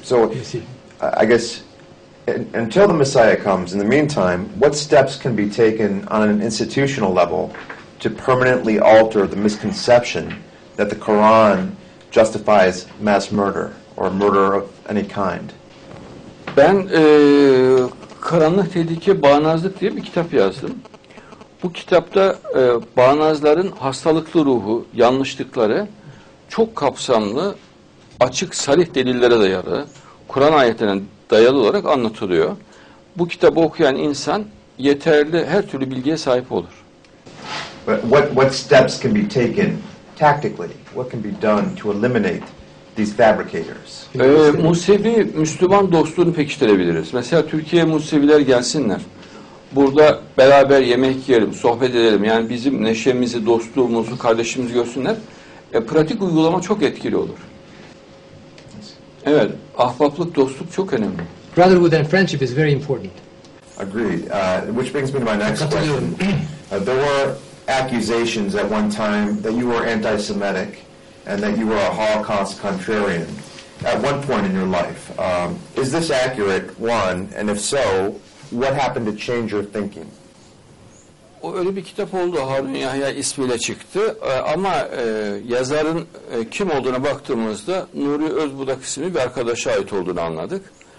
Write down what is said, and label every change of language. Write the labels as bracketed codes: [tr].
[en] So I guess until the Messiah comes, in the meantime, what steps can be taken on an institutional level to permanently alter the misconception that the Quran justifies mass murder or murder of any kind? [tr] Ben karanlık tehlike bağnazlık diye bir kitap yazdım. Bu kitapta bağnazların hastalıklı ruhu, yanlışlıkları çok kapsamlı, açık sarih delillere dayalı, Kur'an ayetlerine dayalı olarak anlatılıyor. Bu kitabı okuyan insan yeterli her türlü bilgiye sahip olur. [en] But what steps can be taken tactically? What can be done to eliminate these fabricators? [tr] Musevi Müslüman dostluğunu pekiştirebiliriz. Mesela Türkiye'ye Museviler gelsinler. Burada beraber yemek yiyelim, sohbet edelim. Yani bizim neşemizi, dostluğumuzu, kardeşimizi görsünler. Pratik uygulama çok etkili olur. Evet, ahbaplık, dostluk çok önemli. [en] Brotherhood and friendship is very important. Agreed. Which brings me to my next question. There were accusations at one time that you were anti-Semitic and that you were a Holocaust contrarian at one point in your life. Is this accurate, one? And if so, what happened to change your thinking? [tr] O öyle bir kitap oldu, Harun Yahya ismiyle çıktı. Ama yazarın kim olduğuna baktığımızda Nuri Özbudak ismi bir arkadaşa ait olduğunu anladık.